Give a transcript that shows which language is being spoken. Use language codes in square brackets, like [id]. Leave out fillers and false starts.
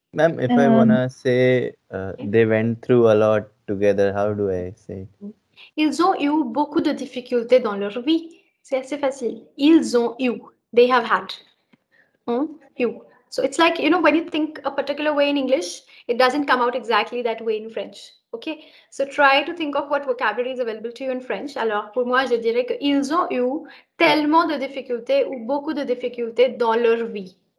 [en] Ma'am, if I wanna say, they went through a lot together, how do I say? [fr] Ils ont eu beaucoup de difficultés dans leur vie. C'est assez facile. Ils ont eu. [en] They have had. So it's like, you know, when you think a particular way in English, it doesn't come out exactly that way in French. Okay? So try to think of what vocabulary is available to you in French. [fr] Alors, pour moi, je dirais qu'ils ont eu tellement de difficultés ou beaucoup de difficultés dans leur vie.